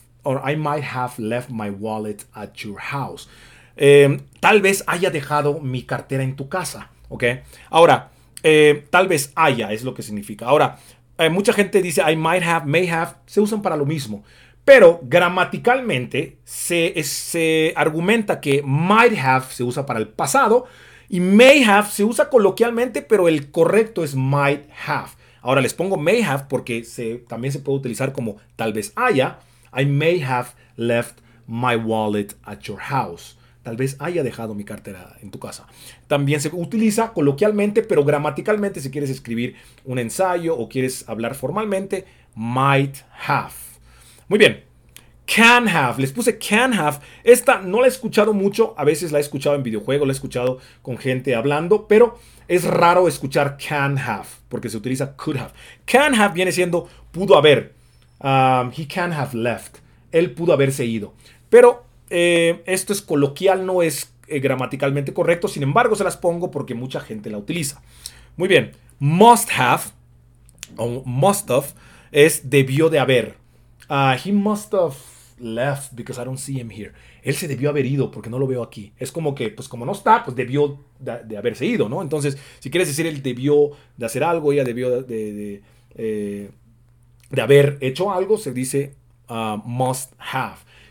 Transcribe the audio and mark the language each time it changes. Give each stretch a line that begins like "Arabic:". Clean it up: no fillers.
English: Or I might have left my wallet at your house.
Spanish: Tal vez haya dejado mi cartera en tu casa. ¿Ok? Ahora, tal vez haya es lo que significa. Ahora, mucha gente dice
English: I might have, may have.
Spanish: Se usan para lo mismo. Pero gramaticalmente se argumenta que might have se usa para el pasado. Y may have se usa coloquialmente, pero el correcto es might have. Ahora, les pongo may have porque también se puede utilizar como tal vez haya.
English: I may have left my wallet at your house.
Spanish: Tal vez haya dejado mi cartera en tu casa. También se utiliza coloquialmente, pero gramaticalmente, si quieres escribir un ensayo o quieres hablar formalmente, might have. Muy bien. Can have. Les puse can have. Esta no la he escuchado mucho. A veces la he escuchado en videojuegos, la he escuchado con gente hablando, pero es raro escuchar can have porque se utiliza could have.
English: Can have
Spanish: viene siendo pudo haber.
English: He can have left.
Spanish: Él pudo haberse ido. Pero esto es coloquial, no es gramaticalmente correcto. Sin embargo, se las pongo porque mucha gente la utiliza. Muy bien. Must have o must have es debió de haber.
English: He must have left because I don't see him here.
Spanish: Él se debió haber ido porque no lo veo aquí. Es como que, pues como no está, pues debió de haberse ido, ¿no? Entonces, si quieres decir él debió de hacer algo, ella debió de haber hecho algo, se dice must have.